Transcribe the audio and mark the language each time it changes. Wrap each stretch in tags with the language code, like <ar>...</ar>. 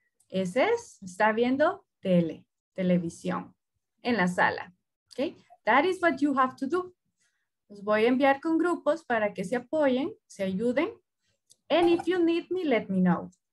<es>Ese es, está viendo tele, televisión en la sala.</es> <en>Okay, that is what you have to do.</en> <es>Los voy a enviar con grupos para que se apoyen, se ayuden.</es> <en>And if you need me, let me know.</en>